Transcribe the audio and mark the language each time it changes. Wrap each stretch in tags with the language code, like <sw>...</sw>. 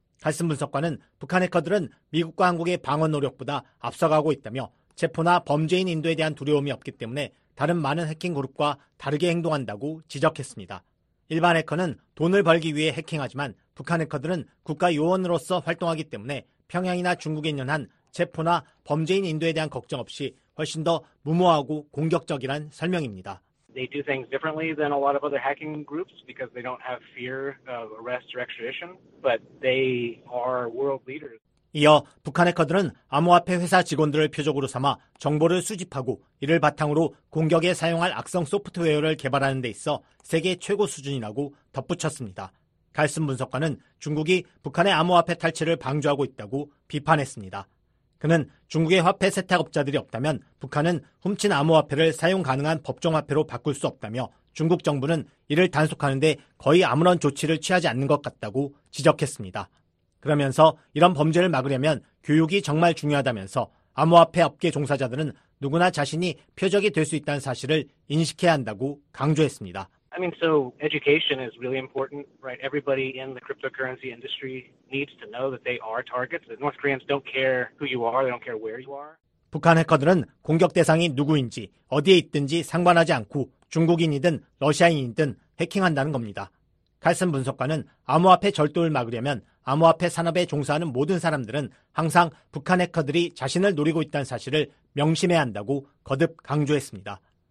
<ko>갈슨 분석관은 북한 해커들은 미국과 한국의 방어 노력보다 앞서가고 있다며 체포나 범죄인 인도에 대한 두려움이 없기 때문에 다른 많은 해킹 그룹과 다르게 행동한다고 지적했습니다. 일반 해커는 돈을 벌기 위해 해킹하지만 북한 해커들은 국가 요원으로서 활동하기 때문에 평양이나 중국에 연한 체포나 범죄인 인도에 대한 걱정 없이 훨씬 더 무모하고 공격적이란 설명입니다.</ko> <en>They do things differently than a lot of other hacking groups because they don't have fear of arrest or extradition, but they are world leaders.</en> <ko>이어 북한 해커들은 암호화폐 회사 직원들을 표적으로 삼아 정보를 수집하고 이를 바탕으로 공격에 사용할 악성 소프트웨어를 개발하는 데 있어 세계 최고 수준이라고 덧붙였습니다. 갈슨 분석관은 중국이 북한의 암호화폐 탈취를 방조하고 있다고 비판했습니다. 그는 중국의 화폐 세탁업자들이 없다면 북한은 훔친 암호화폐를 사용 가능한 법정 화폐로 바꿀 수 없다며 중국 정부는 이를 단속하는 데 거의 아무런 조치를 취하지 않는 것 같다고 지적했습니다. 그러면서 이런 범죄를 막으려면 교육이 정말 중요하다면서 암호화폐 업계 종사자들은 누구나 자신이 표적이 될 수 있다는 사실을 인식해야 한다고 강조했습니다.</ko> <en>I mean, so education is really important, right? Everybody in the cryptocurrency industry needs to know that they are targets. The North Koreans don't care who you are, they don't care where you are.</en> <ko>북한 해커들은 공격 대상이 누구인지, 어디에 있든지 상관하지 않고 중국인이든 러시아인이든 해킹한다는 겁니다. 칼슨 분석관은 암호화폐 절도를 막으려면 암호화폐 산업에 종사하는 모든 사람들은 항상 북한 해커들이 자신을 노리고 있다는 사실을 명심해야 한다고 거듭 강조했습니다.</ko>